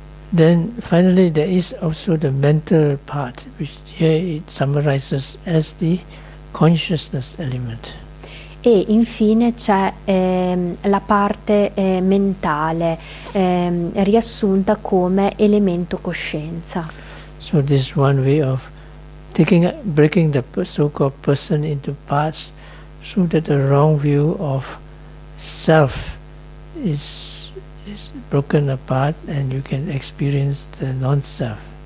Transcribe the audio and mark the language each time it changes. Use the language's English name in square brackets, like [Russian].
[English] Then finally there is also the mental part, which here it summarizes as the consciousness element. [Italian] E infine c'è la parte mentale, riassunta come elemento coscienza. [English] So this is one way of taking, breaking the so-called person into parts, so that the wrong view of self is broken apart and you can experience the non-self.